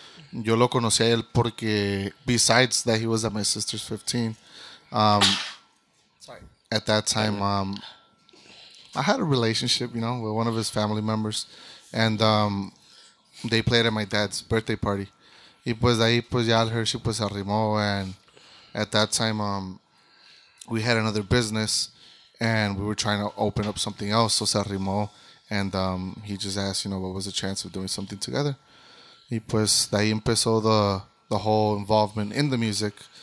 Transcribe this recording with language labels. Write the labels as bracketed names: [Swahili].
[Spanish] Yo lo conocí a él porque, [English] besides that, he was at my sister's 15. Sorry. At that time, I had a relationship, you know, with one of his family members. And they played at my dad's birthday party. [Spanish] Y pues ahí pues ya el Hershey pues arrimó. [English] And at that time, we had another business. And we were trying to open up something else. So [Spanish] se arrimó. [English] And he just asked, you know, what was the chance of doing something together? [Spanish] Y pues de ahí empezó [English] the whole involvement in the music.